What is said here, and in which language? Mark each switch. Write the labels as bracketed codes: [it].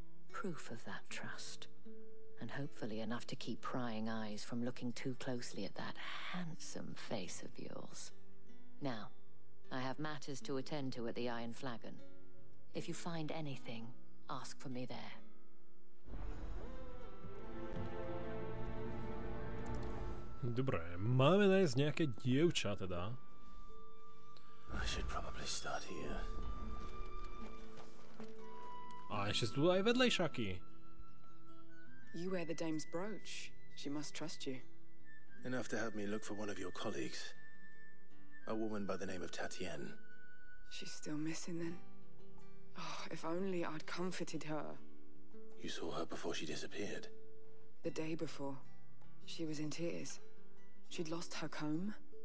[en] Proof of that trust, and hopefully enough to keep prying eyes from looking too closely at that handsome face of yours. Now, I have matters to attend to at the Iron Flagon. If you find anything, ask for me there. [sk] Dobre, máme nájsť nejaké dievča teda. [en] I should probably start here. [sk] A ešte sú tu aj vedlejšaky. [en] You wear the dame's brooch. She must trust you. Enough to have me look for one of your colleagues. A woman by the name of Tatien. She's still missing then? Oh, if only I'd comforted her. You saw her before she disappeared? The day before. She was in tears. She'd lost her comb.